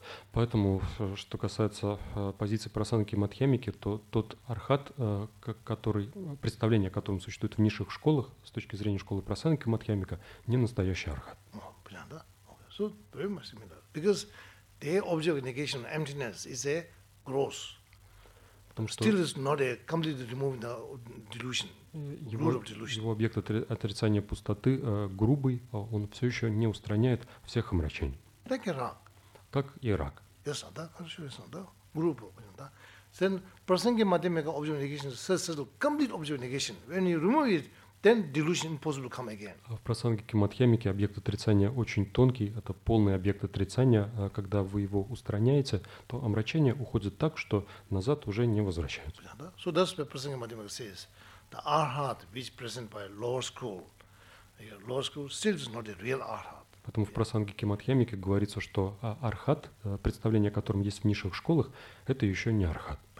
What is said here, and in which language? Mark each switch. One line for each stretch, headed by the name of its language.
Russian: Поэтому, что касается позиции Прасанги Мадхьямики, то тот архат, представление о котором существует в низших школах, с точки зрения школы Прасанги Мадхьямика, не настоящий архат.
English: So very much similar. Because the object of negation, emptiness, is a gross. Still is not a completely removing the delusion.
Russian: Его объект отрицания пустоты грубый, он все еще не устраняет всех омрачений. Like a rock. Как и рак.
English: Yes,
Russian: да, хорошо,
English: yes, да.
Russian: Группа, понятно, да.
English: Then prasangi madhyamika object negation is subtle, complete object negation. When you remove it, then delusion impossible come again.
Russian: В прасанги мадхьямики объект отрицания очень тонкий, это полный объект отрицания. Когда вы его устраняете, то омрачение уходит так, что назад уже не возвращается. Понятно, да?
English: So that's what prasangi madhyamika says. The arhat which present by lower school still is not a real arhat.
Russian: Поэтому в Прасангике Мадхьямике говорится, что архат, представление о котором есть в низших школах, это еще не архат.